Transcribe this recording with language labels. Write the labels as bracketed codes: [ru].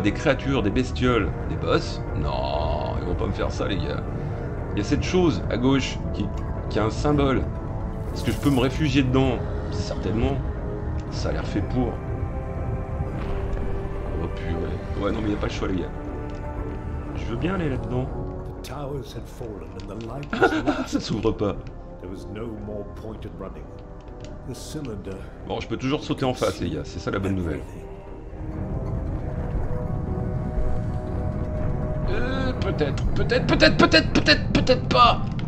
[fr] Des créatures, des bestioles, des boss? Non, ils vont pas me faire ça, les gars. Il y a cette chose à gauche qui a un symbole. Est-ce que je peux me réfugier dedans? Certainement. Ça a l'air fait pour. Oh purée. Ouais, non, mais il n'y a pas le choix, les gars. Je veux bien aller là-dedans. [en] The towers had fallen and the light was lost. [fr] Ça s'ouvre pas. [en] There was no more point in running. The cylinder... [fr] Bon, je peux toujours sauter en face, les gars. C'est ça la bonne nouvelle. Peut-être pas.